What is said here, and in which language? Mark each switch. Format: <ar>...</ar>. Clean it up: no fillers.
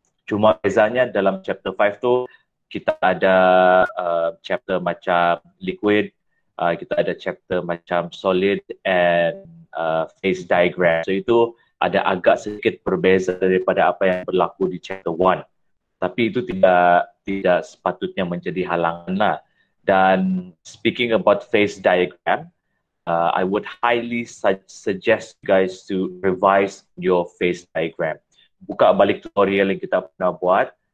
<ms>Cuma bezanya dalam chapter 5 tu, kita ada chapter macam liquid. Kita ada chapter macam solid and phase diagram. So itu ada agak sedikit berbeza daripada apa yang berlaku di chapter 1. Tapi itu tidak sepatutnya menjadi halangan lah.</ms> <en>Dan speaking about phase diagram, I would highly suggest guys to revise your phase diagram.</en> <ms>Buka balik tutorial yang kita pernah buat.</ms>